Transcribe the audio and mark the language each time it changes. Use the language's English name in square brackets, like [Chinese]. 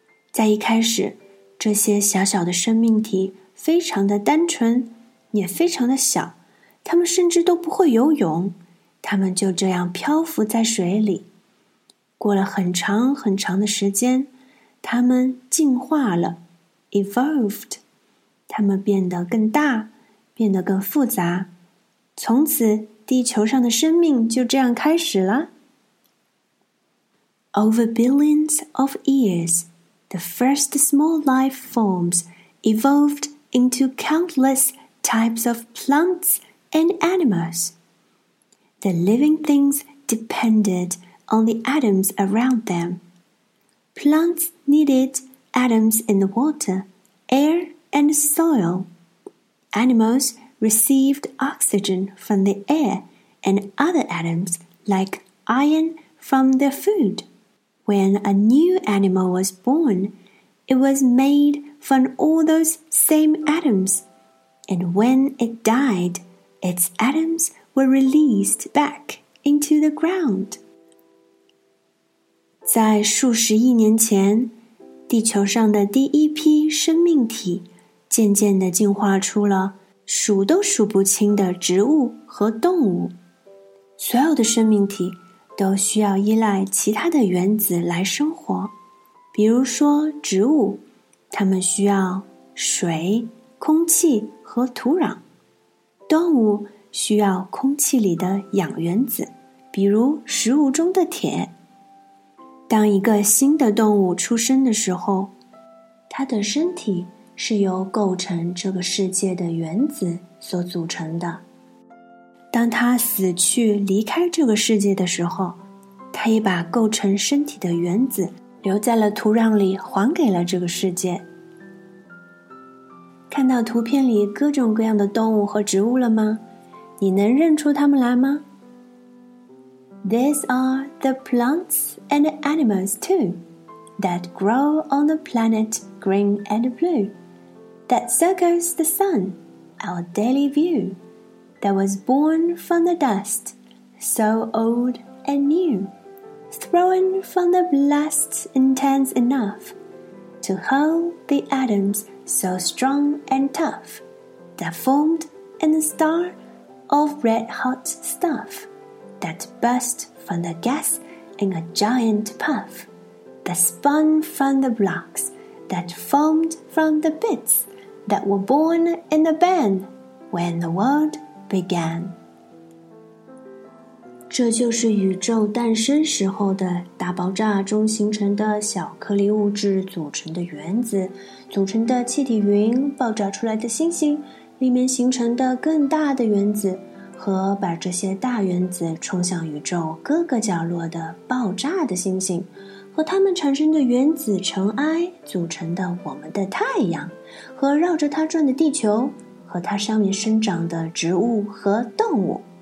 [Chinese] 在一开始，这些小小的生命体非常的单纯，也非常的小，它们甚至都不会游泳，它们就这样漂浮在水里。过了很长很长的时间，它们进化了 ，evolved， 它们变得更大，变得更复杂。从此，地球上的生命就这样开始了。 [English] Over billions of years, the first small life forms evolved into countless types of plants and animals. The living things depended on the atoms around them. Plants needed atoms in the water, air, and soil. Animals received oxygen from the air and other atoms like iron from their food. When a new animal was born, it was made from all those same atoms. And when it died, its atoms were released back into the ground. [Chinese] 在数十亿年前，地球上的第一批生命体渐渐地进化出了数都数不清的植物和动物。所有的生命体都需要依赖其他的原子来生活。比如说植物，它们需要水、空气和土壤。动物需要空气里的氧原子，比如食物中的铁。当一个新的动物出生的时候，它的身体是由构成这个世界的原子所组成的。当它死去离开这个世界的时候，它也把构成身体的原子留在了土壤里，还给了这个世界。看到图片里各种各样的动物和植物了吗？你能认出它们来吗？ [English] These are the plants and animals too that grow on the planet green and blue that circles the sun, our daily view that was born from the dust, so old and new thrown from the blast intense enough to hold the atoms so strong and tough that formed in the starOf red hot stuff that burst from the gas in a giant puff, that spun from the blocks that formed from the bits that were born in the band when the world began. [Chinese] 这就是宇宙诞生时候的大爆炸中形成的小颗粒物质组成的原子，组成的气体云，爆炸出来的星星。里面形成的更大的原子和把这些大原子冲向宇宙各个角落的爆炸的星星和它们产生的原子尘埃组成的我们的太阳和绕着它转的地球和它上面生长的植物和动物。